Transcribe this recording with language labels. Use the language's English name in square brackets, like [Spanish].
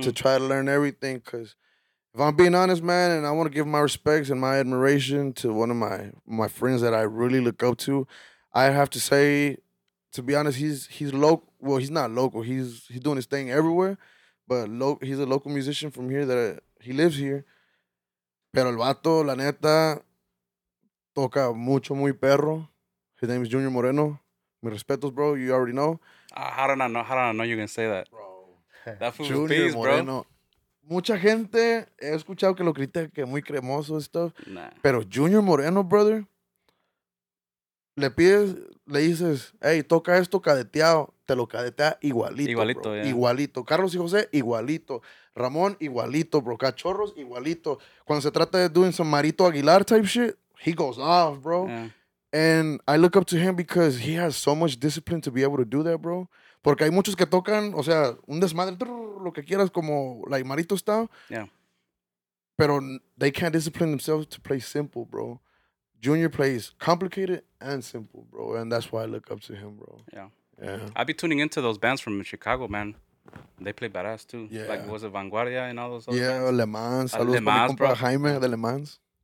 [English] Mm. To try to learn everything, because if I'm being honest, man, and I want to give my respects and my admiration to one of my friends that I really look up to, I have to say, to be honest, he's local. Well, he's not local. He's doing his thing everywhere, but he's a local musician from here that he lives here. [Spanish] Pero el vato, la neta, toca mucho, muy perro. [English] His name is Junior Moreno. [Spanish] Mi respetos, [English] bro. You already know. How did I know you're going to say that? Bro. That fool's Junior peace, Moreno. Bro. [Spanish] Mucha gente, he escuchado que lo critica, que muy cremoso [English] and stuff. [Spanish] Nah. Pero Junior Moreno, brother, le pides, le dices, hey, toca esto cadeteado. Te lo cadetea igualito, igualito, bro. Yeah. Igualito. Carlos y José, igualito. [English] Ramón, [Spanish] igualito, bro. [English] Cachorros, igualito. [Spanish] Cuando se trata de [English] doing some Marito Aguilar type shit, he goes off, bro. Yeah. And I look up to him because he has so much discipline to be able to do that, bro. [Spanish] Porque hay muchos que tocan, o sea, un desmadre, lo que quieras, como like Marito style. [English] Yeah. Pero they can't discipline themselves to play simple, bro. Junior plays complicated and simple, bro. And that's why I look up to him, bro. Yeah. Yeah. I'd be tuning into those bands from Chicago, man. They play badass too. Yeah. Like, was it Vanguardia and all those other yeah, Yeah, Le Mans. Saludos Le Mans, bro. Jaime de Le Mans.